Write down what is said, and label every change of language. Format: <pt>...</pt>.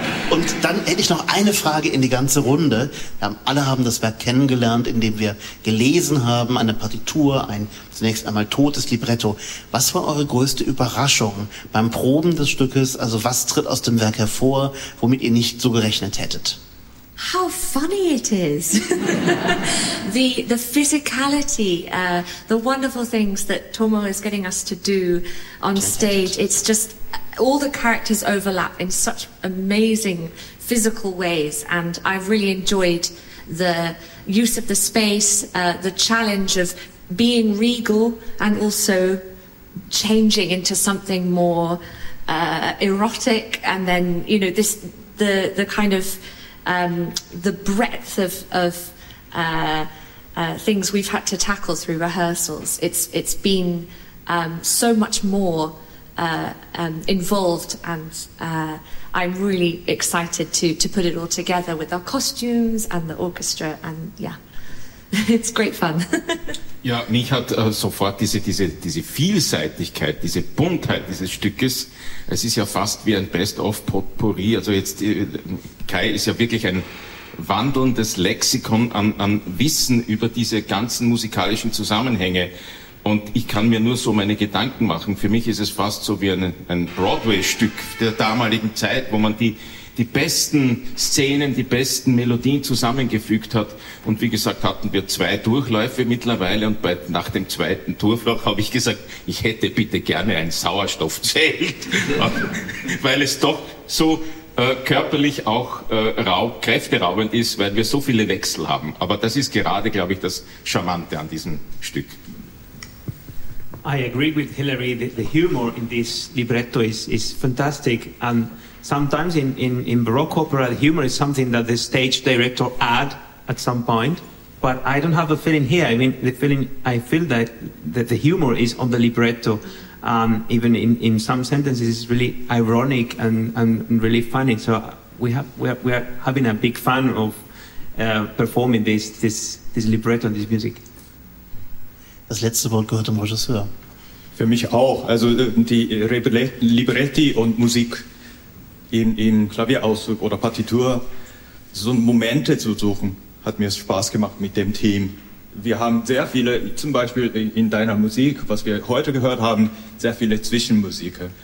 <de>Und dann hätte ich noch eine Frage in die ganze Runde. Alle haben das Werk kennengelernt, indem wir gelesen haben, eine Partitur, ein zunächst einmal totes Libretto. Was war eure größte Überraschung beim Proben des Stückes? Also was tritt aus dem Werk hervor, womit ihr nicht so gerechnet hättet?</de> <en>How funny it is! the physicality, the wonderful things that Tomo is getting us to do on stage, it's just... All the characters overlap in such amazing physical ways, and I've really enjoyed the use of the space, the challenge of being regal and also changing into something more erotic, and then, you know, this the kind of the breadth of things we've had to tackle through rehearsals. It's been so much more involved, and I'm really excited to put it all together with our costumes and the orchestra, and yeah, it's great fun.</en> <de>Ja, mich hat sofort diese Vielseitigkeit, diese Buntheit dieses Stückes, es ist ja fast wie ein Best-of-Potpourri, also jetzt Kai ist ja wirklich ein wandelndes Lexikon an Wissen über diese ganzen musikalischen Zusammenhänge. Und ich kann mir nur so meine Gedanken machen. Für mich ist es fast so wie ein Broadway-Stück der damaligen Zeit, wo man die besten Szenen, die besten Melodien zusammengefügt hat. Und wie gesagt, hatten wir zwei Durchläufe mittlerweile. Und nach dem zweiten Durchlauf habe ich gesagt, ich hätte bitte gerne ein Sauerstoffzelt, weil es doch so körperlich auch kräfteraubend ist, weil wir so viele Wechsel haben. Aber das ist gerade, glaube ich, das Charmante an diesem Stück.</de> <en>I agree with Hilary. The humor in this libretto is fantastic. And sometimes in Baroque opera, the humor is something that the stage director add at some point. But I don't have a feeling here. I mean, the feeling I feel that the humor is on the libretto. Even in some sentences, it's really ironic and really funny. So we are having a big fun of performing this libretto and this music.</en> <de>Das letzte Wort gehört dem Regisseur. Für mich auch. Also die Libretti und Musik in Klavierauszug oder Partitur, so Momente zu suchen, hat mir Spaß gemacht mit dem Team. Wir haben sehr viele, zum Beispiel in deiner Musik, was wir heute gehört haben, sehr viele Zwischenmusiken.</de>